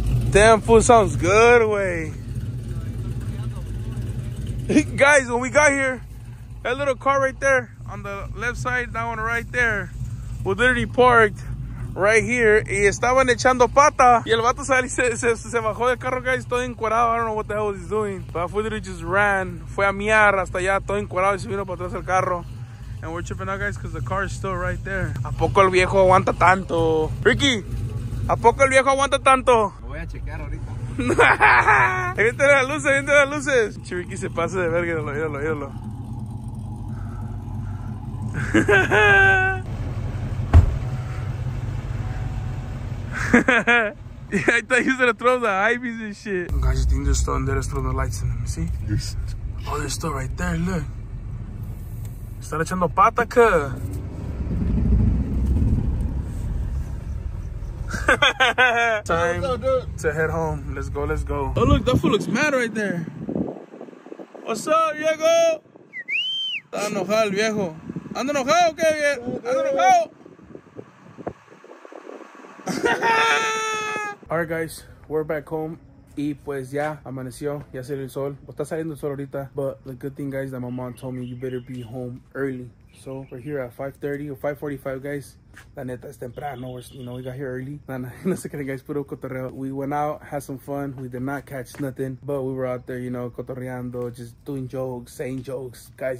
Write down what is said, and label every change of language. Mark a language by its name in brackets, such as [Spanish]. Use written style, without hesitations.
[English] Damn, fool, sounds good, way. Guys, when we got here, that little car right there on the left side, that one right there, was literally parked right here. [Spanish] Y estaban echando pata. Y el vato sale y se bajó del carro, guys, todo encuerado. [English] I don't know what the hell he's doing. But I literally just ran. [Spanish] Fue a miar hasta allá, todo encuerado, y se vino para atrás el carro. [English] And we're tripping out, guys, because the car is still right there. [Spanish] ¿A poco el viejo aguanta tanto? Ricky, ¿a poco el viejo aguanta tanto? Lo voy a checar ahorita. Avientale las luces, avientale las luces. Ricky se pasa de verga, míralo. [English] I thought he was gonna throw the ivies and shit. Guys, you think they're still in there? Let's throw the lights in them, see? Yes. Oh, they're still right there, look. [Spanish] Están echando pata, ¿qué? [English] Time to head home. Let's go. Oh, look, that fool looks mad right there. What's up, [Spanish] viejo? Está enojado el viejo. ¿Anda enojado o qué, viejo? ¿Anda enojado? [English] Alright, guys, we're back home. [Spanish] Y pues ya amaneció, ya salió el sol. O está saliendo el sol ahorita. [English] But the good thing, guys, that my mom told me you better be home early. So we're here at 5:30 or 5:45, guys. [Spanish] La neta es temprano. [English] We got here early. [Spanish] No sé qué, [English] guys. Puro cotorreo. We went out, had some fun. We did not catch nothing, but we were out there, you know, cotorreando, just doing jokes, saying jokes, guys.